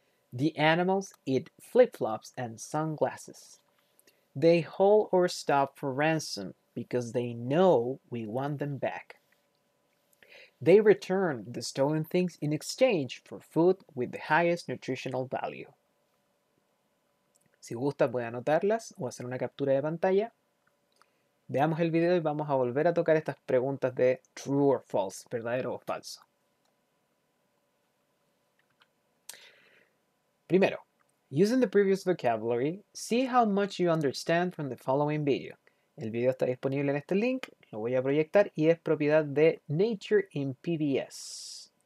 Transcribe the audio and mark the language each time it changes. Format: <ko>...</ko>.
<en>The animals eat flip-flops and sunglasses. They haul our stuff for ransom because they know we want them back. They return the stolen things in exchange for food with the highest nutritional value.</en> <es>Si gusta, puede anotarlas o hacer una captura de pantalla. Veamos el video y vamos a volver a tocar estas preguntas de</es> <en>true or false,</en> <es>verdadero o falso.</es> <en>Primero, using the previous vocabulary, see how much you understand from the following video.</en> <es>El video está disponible en este link, lo voy a proyectar y es propiedad de Nature in PBS.</es>